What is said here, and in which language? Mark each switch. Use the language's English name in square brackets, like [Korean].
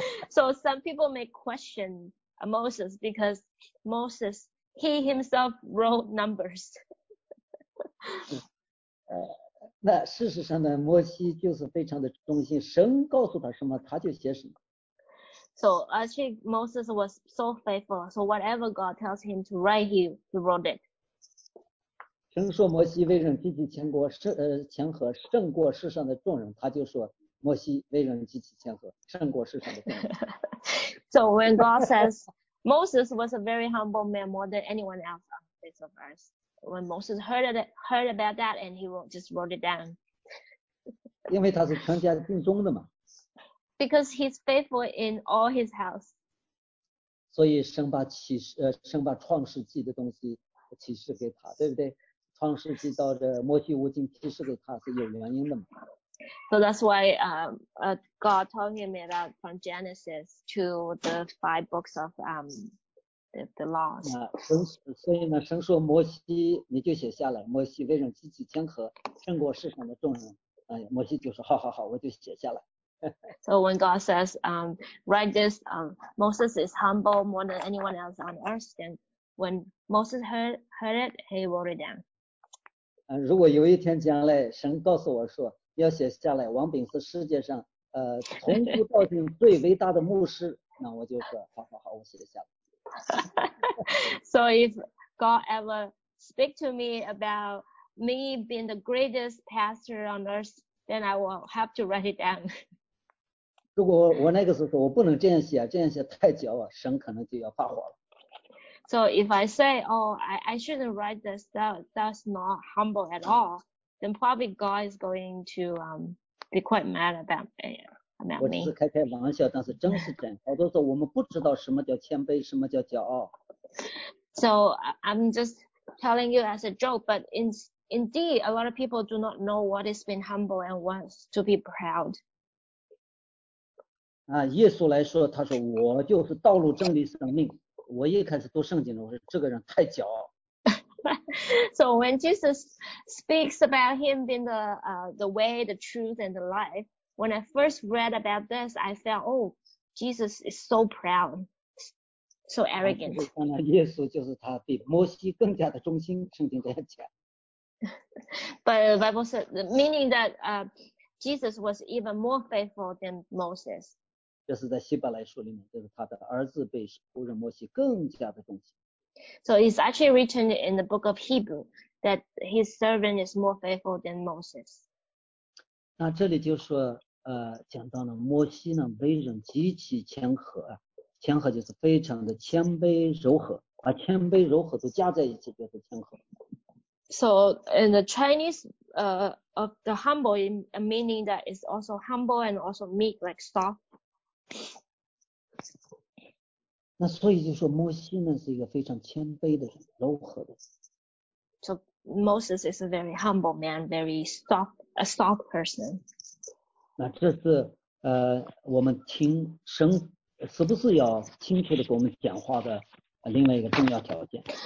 [English] So some people may question Moses because Moses, he himself wrote numbers. [Chinese] 那事实上呢，摩西就是非常的忠心，神告诉他什么，他就写什么。 [English] So actually Moses was so faithful, so whatever God tells him to write, he wrote it. [Chinese] 神说摩西为人极其谦和，谦和胜过世上的众人，他就说摩西为人极其谦和，胜过世上的众人。 [English] So when God says Moses was a very humble man more than anyone else on the face of earth, when Moses heard about that and he just wrote it down. [Chinese] 因为他是全家尽忠的嘛。 [English] Because he's faithful in all his house. [Chinese] 所以神把启示神把创世纪的东西启示给他，对不对？创世纪到这摩西五经启示给他是有原因的嘛。 [English] So that's why God told him about from Genesis to the five books of the laws. [Chinese] 所以呢，神说摩西，你就写下来。摩西为人极其谦和，胜过世上的众人。摩西就说，好好好，我就写下来。 [English] So when God says, write this, Moses is humble more than anyone else on earth. Then when Moses heard it, he wrote it down. [Chinese] 如果有一天将来神告诉我说。要写下来王炳是世界上从古到今最伟大的牧师，那我就说好好好，我写下来。 [English] So if God ever speak to me about me being the greatest pastor on earth, then I will have to write it down. [Chinese] 如果我那个时候说我不能这样写，这样写太矫枉，神可能就要发火了。 [English] So if I say, I shouldn't write this, that's not humble at all. then probably God is going to be quite mad about me. [Chinese] 我只是开开玩笑，但是真是真，好多时候我们不知道什么叫谦卑，什么叫骄傲。 [English] So I'm just telling you as a joke, but indeed, a lot of people do not know what is being humble and wants to be proud. [Chinese] 啊，耶稣来说，他说我就是道路、真理、生命。我一开始读圣经的，我说这个人太骄傲。 [English] So when Jesus speaks about him being the way, the truth, and the life, when I first read about this, I felt, oh, Jesus is so proud, so arrogant. [Chinese] 当然，耶稣就是他比摩西更加的忠心，圣经这样讲。 [English] But the Bible said, meaning that Jesus was even more faithful than Moses. [Chinese] 这是在希伯来书里面，就是他的儿子被仆人摩西更加的忠心。 [English] So it's actually written in the book of Hebrew that his servant is more faithful than Moses. [Chinese] 那这里就说，讲到了摩西呢，为人极其谦和，谦和就是非常的谦卑柔和，把谦卑柔和都加在一起就是谦和。 [English] So in the Chinese, of the humble, a meaning that is also humble and also meek, like soft. [Chinese] 那所以就说摩西呢是一个非常谦卑的人，柔和的。 [English] So Moses is a very humble man, very soft, a soft person. [Chinese] 那这是我们听神是不是要清楚的给我们讲话的另外一个重要条件。